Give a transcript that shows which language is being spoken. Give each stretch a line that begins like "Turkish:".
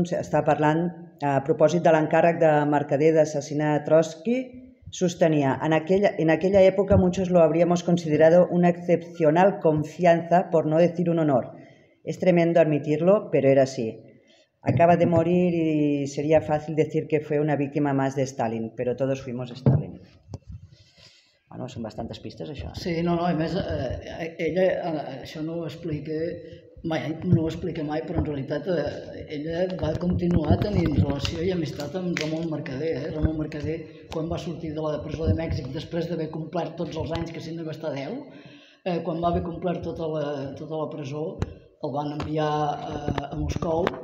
Catalan: Està parlant a propòsit de l'encàrrec de Mercader d'assassinar Trotsky, sostenia,
Spanish: en aquella època muchos lo habríamos considerado una excepcional confianza, por no decir un honor. Es tremendo admitirlo, pero era así. Acaba de morir y sería fácil decir que fue una víctima más de Stalin, pero todos fuimos Stalin.
Catalan: Bueno, són bastantes pistes, això. Sí, no, a més, ella, això no ho explica mai, no ho explica mai, però en realitat ella va continuar tenint relació i amistat amb Ramon Mercader. Ramon Mercader, quan va sortir de la presó de Mèxic, després d'haver complert tots els anys, que si no va estar 10, quan va haver complert tota la presó, el van enviar a Moscou.